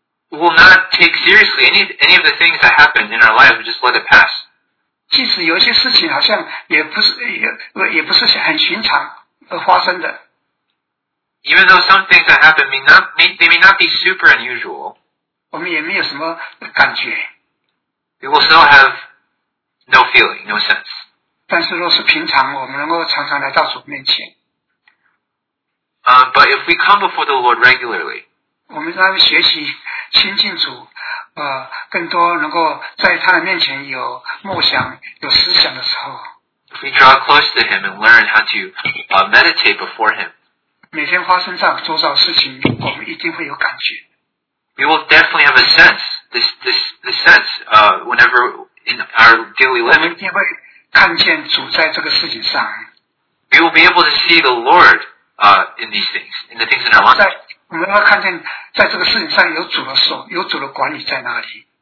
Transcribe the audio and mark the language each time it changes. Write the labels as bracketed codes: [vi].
[en] We will not take seriously any of the things that happen in our lives. Just let it pass. [zh] 即使有些事情好像也不是很寻常而发生的。 [en] Even though some things that happen may not be super unusual, [zh] 我们也没有什么感觉。 [en] We will still have no feeling, no sense. [zh] 但是若是平常，我们能够常常来到主面前。 [en] But if we come before the Lord regularly, [zh] 我们在学习亲近主，更多能够在他的面前有梦想、有思想的时候。 [en] If we draw close to Him and learn how to meditate before Him, [zh] 每天发生在周遭的事情，我们一定会有感觉。 [en] We will definitely have a sense, this sense, whenever in our daily life. [zh] 我们一定会看见主在这个事情上。 [en] We will be able to see the Lord, in these things, in the things in our lives. [zh] 我们要看见在这个事情上有主的手，有主的管理在那里。